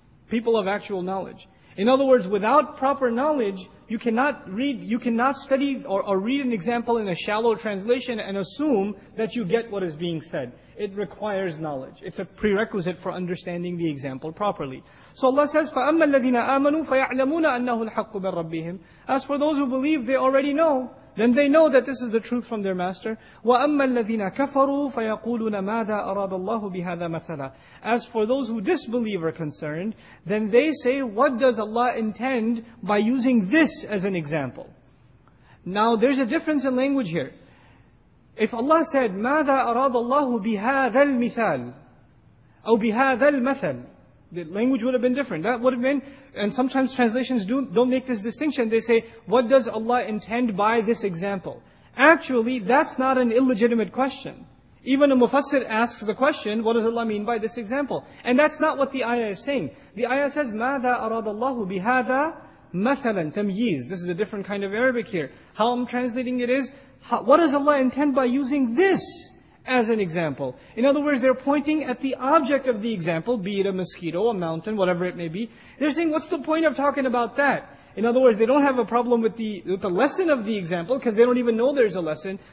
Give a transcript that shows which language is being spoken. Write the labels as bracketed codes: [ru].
[en] People of actual knowledge. In other words, without proper knowledge, you cannot study or read an example in a shallow translation and assume that you get what is being said. It requires knowledge. It's a prerequisite for understanding the example properly. So Allah says, [ar] فَأَمَّا الَّذِينَ آمَنُوا فَيَعْلَمُونَ أَنَّهُ الْحَقُّ مِنْ رَبِّهِمْ. [en] As for those who believe, they already know. Then they know that this is the truth from their master. [ar] وَأَمَّا الَّذِينَ كَفَرُوا فَيَقُولُونَ مَاذَا أَرَادَ اللَّهُ بِهَذَا مَثَلًا. [en] As for those who disbelieve are concerned, then they say, what does Allah intend by using this as an example? Now there's a difference in language here. If Allah said, [ar] مَاذَا أَرَادَ اللَّهُ بِهَذَا الْمِثَالِ أَوْ بِهَذَا الْمَثَلِ, [en] the language would have been different. That would have been, and sometimes translations don't make this distinction. They say, what does Allah intend by this example? Actually, that's not an illegitimate question. Even a mufassir asks the question, what does Allah mean by this example? And that's not what the ayah is saying. The ayah says, [ar] مَاذَا أَرَادَ اللَّهُ بِهَذَا مَثَلًا تَمْيِيز. [en] This is a different kind of Arabic here. How I'm translating it is, what does Allah intend by using this as an example? In other words, they're pointing at the object of the example, be it a mosquito, a mountain, whatever it may be. They're saying, what's the point of talking about that? In other words, they don't have a problem with the lesson of the example, because they don't even know there's a lesson.